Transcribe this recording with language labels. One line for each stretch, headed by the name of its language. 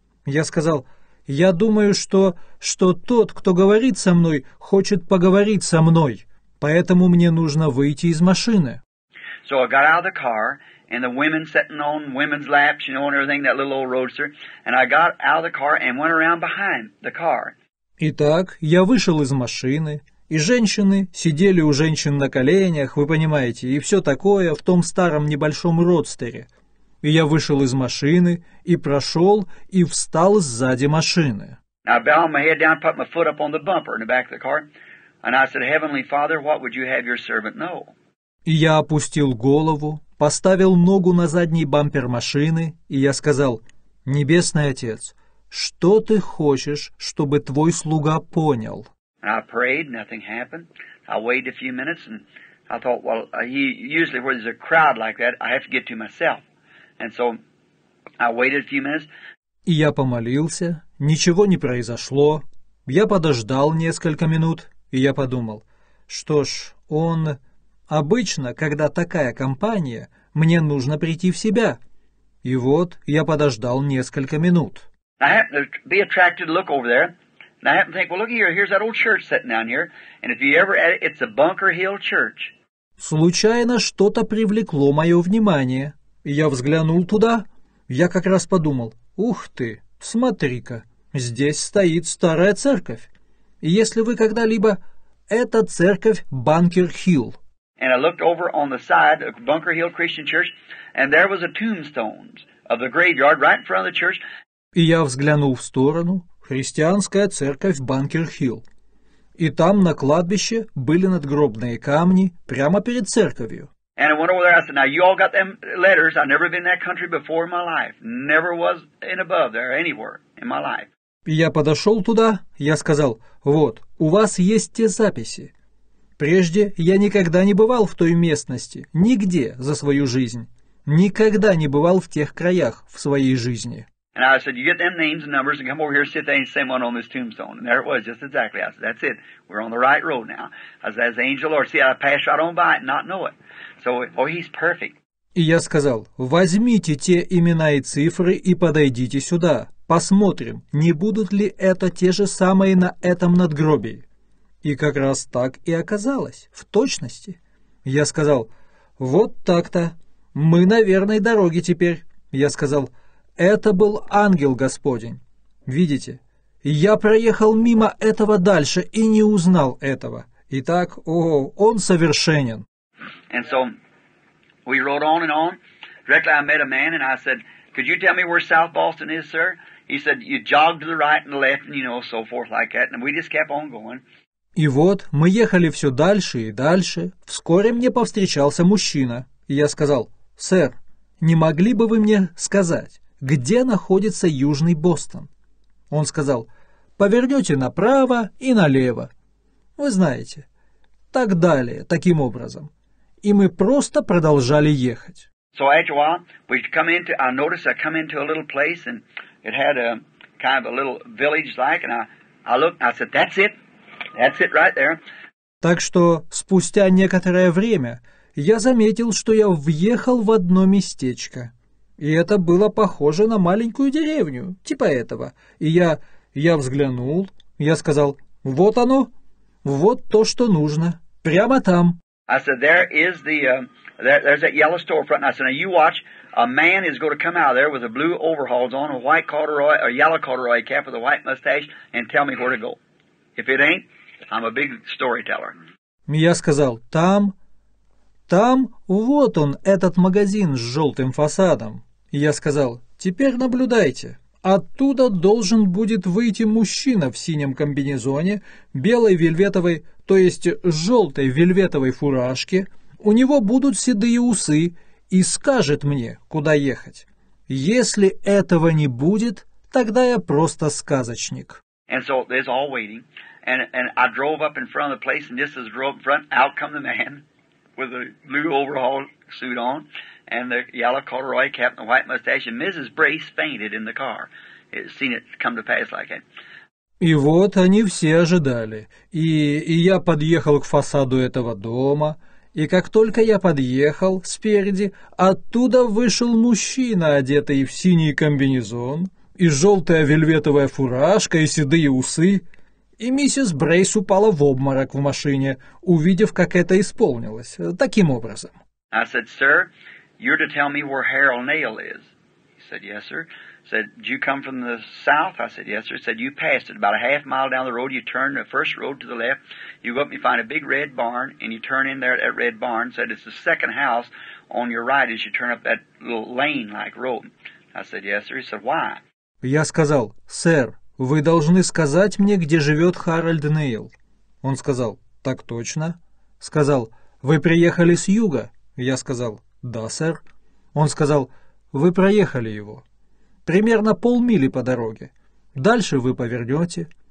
Russian: Я сказал, «Я думаю, что тот, кто говорит со мной, хочет поговорить со мной, поэтому мне нужно выйти из машины».
English: So I got out of the car. And the women sitting on women's laps, you know, and everything, that little old roadster. And I got out of the car and went around behind the car.
Russian: Итак, я вышел из машины, и женщины сидели у женщин на коленях, вы понимаете, и все такое в том старом небольшом родстере. И я вышел из машины, и прошел, и встал сзади машины.
English: I bowed my head down, put my foot up on the bumper in the back of the car, and I said, Heavenly Father, what would you have your servant know?
Russian: И я опустил голову, поставил ногу на задний бампер машины, и я сказал, «Небесный Отец, что ты хочешь, чтобы твой слуга понял?»
English: I prayed, nothing happened. I waited a few minutes, and I thought, well, usually where there's a crowd like that, I have to get to myself. And so I waited a few minutes.
Russian: И я помолился, ничего не произошло. Я подождал несколько минут, и я подумал, что ж, он... Обычно, когда такая компания, мне нужно прийти в себя. И вот я подождал несколько минут.
English: I happened to be attracted to look over there. And I happened to think, well, look here, here's that old church sitting down here. And if you ever at it, it's a Bunker Hill church.
Russian: Случайно что-то привлекло мое внимание. Я взглянул туда. Я как раз подумал, ух ты, смотри-ка, здесь стоит старая церковь. И если вы когда-либо... Это церковь Bunker Hill.
English: And I looked over on the side of Bunker Hill Christian Church, and there was a tombstone of the graveyard right in front of the church.
Russian: И я взглянул в сторону, христианская церковь Bunker Hill. И там на кладбище были надгробные камни прямо перед церковью.
English: And I went over there, I said, now you all got them letters, I've never been in that country before in my life. Never was in above there anywhere in my life.
Russian: И я подошел туда, я сказал, вот, у вас есть те записи. Прежде я никогда не бывал в той местности, нигде за свою жизнь. Никогда не бывал в тех краях в своей жизни.
English: And I said, you get them names and numbers and come over here and sit there and send one on this tombstone. And there it was, just exactly. I said, that's it. We're on the right road now. I said, as the angel Lord, see, I passed right on by it and not know it. So, oh, he's perfect.
Russian: И я сказал, возьмите те имена и цифры и подойдите сюда. посмотрим, не будут ли это те же самые на этом надгробии. И как раз так и оказалось, в точности. Я сказал, вот так-то, мы на верной дороге теперь. Я сказал, это был ангел Господень. Видите, я проехал мимо этого дальше и не узнал этого. Итак, о, он совершенен.
English: And so we rode on and on. Directly I met a man and I said, could you tell me where South Boston is, sir? He said, you jog to the right and left and, you know, so forth like that. And we just kept on going.
Russian: И вот, мы ехали все дальше и дальше, вскоре мне повстречался мужчина, и я сказал, «Сэр, не могли бы вы мне сказать, где находится Южный Бостон?» Он сказал, «Повернете направо и налево». Вы знаете, так далее, таким образом. И мы просто продолжали ехать.
English: So after a while, we come into, I noticed I come into a little place, and it had a kind of a little village-like, and I looked, I said, «That's it». That's it right there.
Russian: Так что, спустя некоторое время, я заметил, что я въехал в одно местечко. И это было похоже на маленькую деревню, типа этого. И я взглянул, я сказал, вот оно, вот то, что нужно, прямо там.
English: I said, there is the, there's that yellow storefront. I said, now you watch, a man is going to come out of there with a blue overalls on, a white corduroy, a yellow corduroy cap with a white mustache, and tell me where to go. If it ain't, I'm a big storyteller.
Russian: Я сказал, там вот он, этот магазин с желтым фасадом. И я сказал, теперь наблюдайте. Оттуда должен будет выйти мужчина в синем комбинезоне, белой вельветовой, то есть желтой вельветовой фуражке. У него будут седые усы и скажет мне, куда ехать. Если этого не будет, тогда я просто сказочник.
English: And so there's all waiting, and I drove up in front of the place, and just as I drove up in front, out come the man with a blue overall suit on, and the yellow corduroy cap and the white mustache, and Mrs. Brace fainted in the car. It seen it come to pass like that.
Russian: И вот они все ожидали, и я подъехал к фасаду этого дома, и как только я подъехал спереди, оттуда вышел мужчина, одетый в синий комбинезон, и желтая вельветовая фуражка, и седые усы. И миссис Брейс упала в обморок в машине, увидев, как это исполнилось. Таким образом.
English: I said, sir, you're to tell me where Harold Nail is. He said, yes, sir. I said, do you come from the south? I said, yes, sir. He said, you passed it. About a half mile down the road, you turn the first road to the left, you go up and you find a big red barn, and you turn in there at that red barn, said, it's the second house on your right as you turn up that little lane-like road. I said, yes, sir. He said, why?
Russian: Я сказал, «Сэр, вы должны сказать мне, где живет Харальд Нейл». Он сказал, «Так точно». Сказал, «Вы приехали с юга?» Я сказал, «Да, сэр». Он сказал, «Вы проехали его. Примерно полмили по дороге. Дальше вы повернете.